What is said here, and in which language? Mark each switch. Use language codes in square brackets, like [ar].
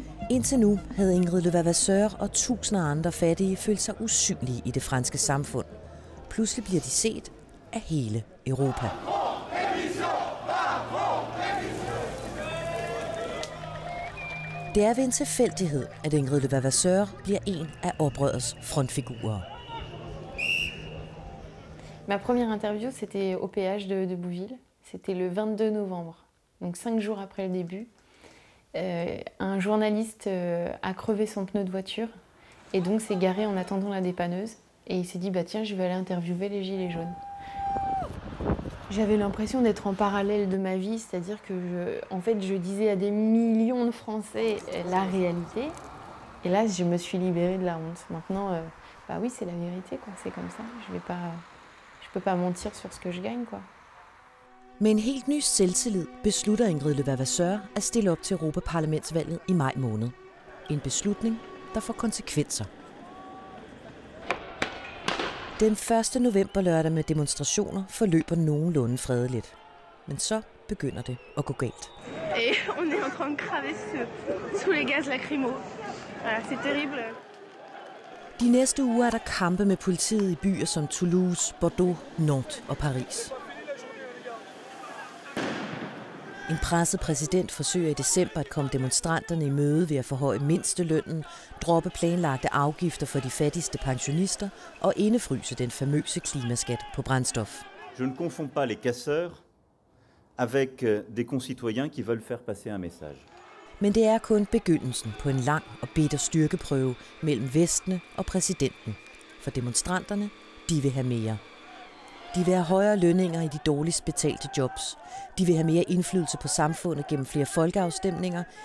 [da] Indtil nu havde Ingrid Levavasseur og tusinder andre fattige følt sig usynlige i det franske samfund. Pludselig bliver de set af hele Europa. Det er ved en tilfældighed, at Ingrid Levavasseur bliver en af oprørets frontfigurer. [fr] Ma première interview, c'était au péage de Bouville. C'était le 22 novembre, donc 5 jours après le début. Un journaliste a crevé son pneu de voiture et donc s'est garé en attendant la dépanneuse et il s'est dit bah tiens je vais aller interviewer les gilets jaunes. J'avais l'impression d'être en parallèle de ma vie, c'est-à-dire que je disais à des millions de Français la réalité et là je me suis libérée de la honte. Maintenant bah oui c'est la vérité quoi, c'est comme ça, je peux pas mentir sur ce que je gagne quoi. [da] Med en helt ny selvtillid beslutter Ingrid Levavasseur at stille op til Europaparlamentsvalget i maj måned. En beslutning, der får konsekvenser. Den 1. november lørdag med demonstrationer forløber nogenlunde fredeligt. Men så begynder det at gå galt. [fr] On est en train de craver sous les gaz lacrymaux. C'est terrible. [da] De næste uger er der kampe med politiet i byer som Toulouse, Bordeaux, Nantes og Paris. En presset præsident forsøger i december at komme demonstranterne i møde ved at forhøje mindstelønnen, droppe planlagte afgifter for de fattigste pensionister og indefryse den famøse klimaskat på brændstof. [fr] Je ne confonds pas les casseurs avec des concitoyens qui veulent faire passer un message. [da] Men det er kun begyndelsen på en lang og bitter styrkeprøve mellem vestene og præsidenten. For demonstranterne, de vil have mere. De vil have højere lønninger i de dårligst betalte jobs. De vil have mere indflydelse på samfundet gennem flere folkeafstemninger.